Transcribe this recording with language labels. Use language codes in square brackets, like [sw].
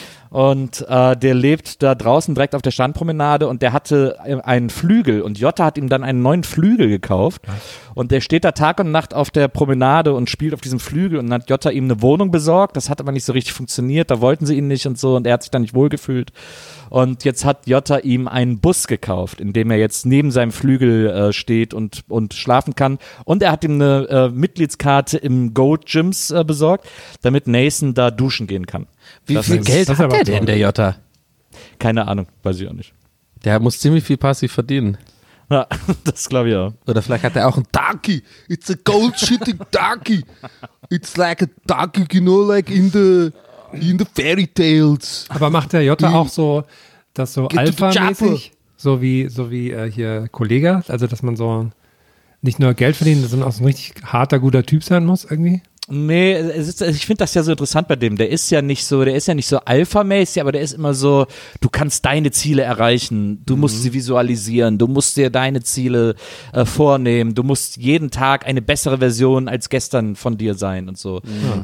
[de] Und der lebt da draußen direkt auf der Strandpromenade und der hatte einen Flügel und Jotta hat ihm dann einen neuen Flügel gekauft und der steht da Tag und Nacht auf der Promenade und spielt auf diesem Flügel und dann hat Jotta ihm eine Wohnung besorgt, das hat aber nicht so richtig funktioniert, da wollten sie ihn nicht und so und er hat sich da nicht wohlgefühlt und jetzt hat Jotta ihm einen Bus gekauft, in dem er jetzt neben seinem Flügel steht und schlafen kann und er hat ihm eine Mitgliedskarte im Gold Gyms besorgt, damit Nathan da duschen gehen kann. Wie das viel ist, Geld hat der denn, der Jotta? Keine Ahnung, weiß ich auch nicht. Der muss ziemlich viel passiv verdienen. Ja, das glaube ich auch. Oder vielleicht hat er auch einen Donkey. [en] It's a gold shitting donkey. It's like a donkey, you know, like in the fairy tales. [de] Aber macht der Jotta auch so, dass so alpha-mäßig, so wie hier Kollege, also dass man so nicht nur Geld verdienen, sondern auch so ein richtig harter, guter Typ sein muss irgendwie? Nee, ich finde das ja so interessant bei dem. Der ist ja nicht so alpha-mäßig, aber der ist immer so, du kannst deine Ziele erreichen, du musst sie visualisieren, du musst dir deine Ziele vornehmen, du musst jeden Tag eine bessere Version als gestern von dir sein und so. Mhm.